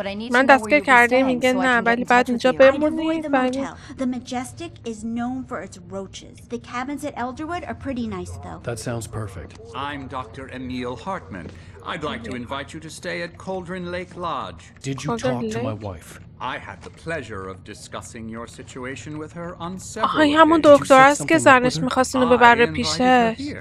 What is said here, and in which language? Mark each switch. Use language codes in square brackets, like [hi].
[fa] من دستگیر کردی میگه نه ولی بعد اینجا بمونی؟ [en] The Majestic is known for its roaches. The cabins at Elderwood are pretty nice though. That sounds perfect. I'm Dr. Emil Hartman. I'd like to invite you to stay at Cauldron Lake Lodge. Did you Cauldron talk Lake? To my wife? I had the pleasure of discussing your situation with her on several occasions. [fa] آه همون دکتر است که زنش میخواست اینو ببره پیشش.